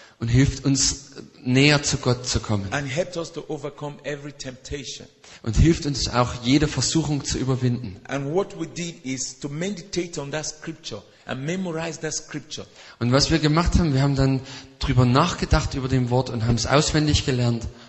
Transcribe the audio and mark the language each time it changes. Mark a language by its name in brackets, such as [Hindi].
[German] Und hilft uns näher zu Gott zu kommen. [English] And helps us to overcome every temptation. [German] Und hilft uns auch jede Versuchung zu überwinden. [English] And what we did is to meditate on that scripture and memorize that scripture. [German] Und was wir gemacht haben, wir haben dann drüber nachgedacht über dem Wort und haben es auswendig gelernt.